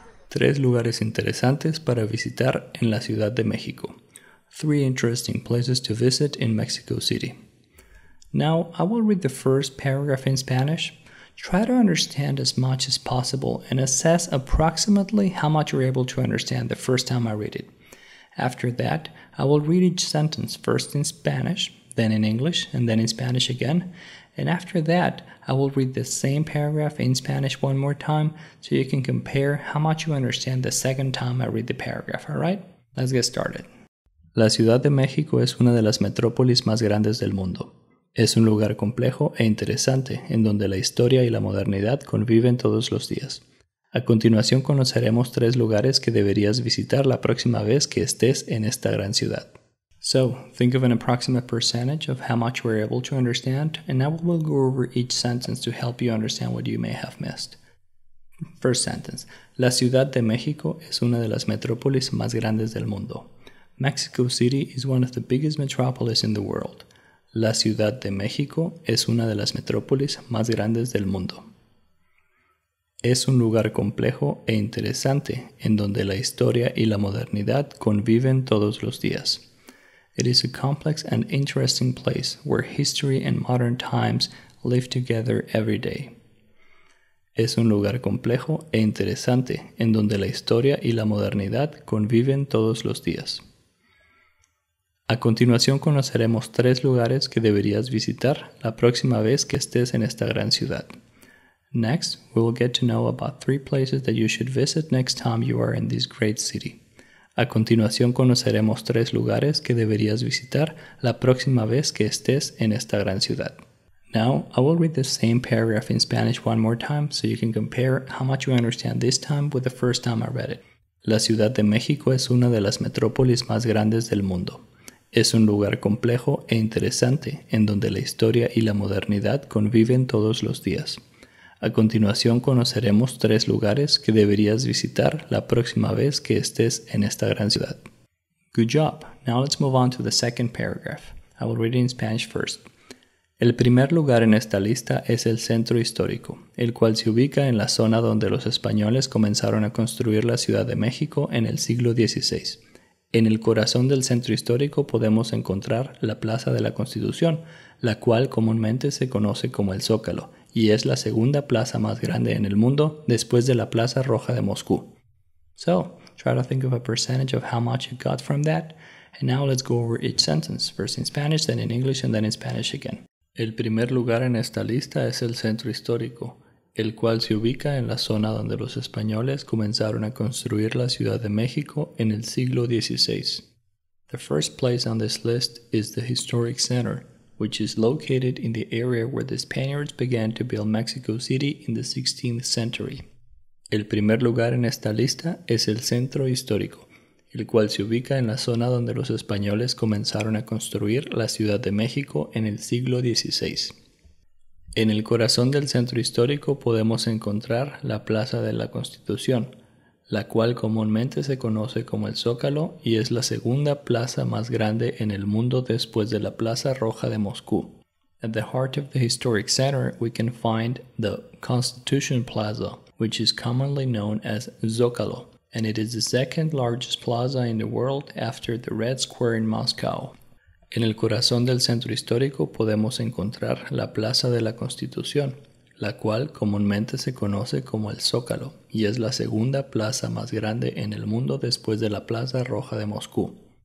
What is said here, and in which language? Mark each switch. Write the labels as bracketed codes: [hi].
[es] Tres lugares interesantes para visitar en la Ciudad de México. [en] Three interesting places to visit in Mexico City. Now, I will read the first paragraph in Spanish. Try to understand as much as possible and assess approximately how much you're able to understand the first time I read it. After that, I will read each sentence first in Spanish, then in English, and then in Spanish again. And after that, I will read the same paragraph in Spanish one more time so you can compare how much you understand the second time I read the paragraph, alright? Let's get started. [es] La Ciudad de México es una de las metrópolis más grandes del mundo. Es un lugar complejo e interesante en donde la historia y la modernidad conviven todos los días. A continuación conoceremos tres lugares que deberías visitar la próxima vez que estés en esta gran ciudad. [en] So, think of an approximate percentage of how much we're able to understand, and now we'll go over each sentence to help you understand what you may have missed. First sentence. [es] La Ciudad de México es una de las metrópolis más grandes del mundo. [en] Mexico City is one of the biggest metropolis in the world. [es] La Ciudad de México es una de las metrópolis más grandes del mundo. Es un lugar complejo e interesante en donde la historia y la modernidad conviven todos los días. [en] It is a complex and interesting place where history and modern times live together every day. [es] Es un lugar complejo e interesante en donde la historia y la modernidad conviven todos los días. A continuación conoceremos tres lugares que deberías visitar la próxima vez que estés en esta gran ciudad. [en] Next, we will get to know about three places that you should visit next time you are in this great city. [es] A continuación conoceremos tres lugares que deberías visitar la próxima vez que estés en esta gran ciudad. [en] Now, I will read the same paragraph in Spanish one more time so you can compare how much you understand this time with the first time I read it. [es] La Ciudad de México es una de las metrópolis más grandes del mundo. Es un lugar complejo e interesante en donde la historia y la modernidad conviven todos los días. A continuación conoceremos tres lugares que deberías visitar la próxima vez que estés en esta gran ciudad. [en] Good job. Now let's move on to the second paragraph. I will read it in Spanish first. [es] El primer lugar en esta lista es el centro histórico, el cual se ubica en la zona donde los españoles comenzaron a construir la Ciudad de México en el siglo XVI. En el corazón del centro histórico podemos encontrar la Plaza de la Constitución, la cual comúnmente se conoce como el Zócalo, y es la segunda plaza más grande en el mundo después de la Plaza Roja de Moscú. [en] So, try to think of a percentage of how much you got from that, and now let's go over each sentence, first in Spanish, then in English, and then in Spanish again. [es] El primer lugar en esta lista es el centro histórico, el cual se ubica en la zona donde los españoles comenzaron a construir la Ciudad de México en el siglo XVI. [en] The first place on this list is the historic center, which is located in the area where the Spaniards began to build Mexico City in the 16th century. [es] El primer lugar en esta lista es el centro histórico, el cual se ubica en la zona donde los españoles comenzaron a construir la Ciudad de México en el siglo XVI. En el corazón del centro histórico podemos encontrar la Plaza de la Constitución, la cual comúnmente se conoce como el Zócalo y es la segunda plaza más grande en el mundo después de la Plaza Roja de Moscú. [en] At the heart of the historic center, we can find the Constitution Plaza, which is commonly known as Zócalo, and it is the second largest plaza in the world after the Red Square in Moscow. [es] En el corazón del centro histórico podemos encontrar la Plaza de la Constitución, la cual comúnmente se conoce como el Zócalo, y es la segunda plaza más grande en el mundo después de la Plaza Roja de Moscú.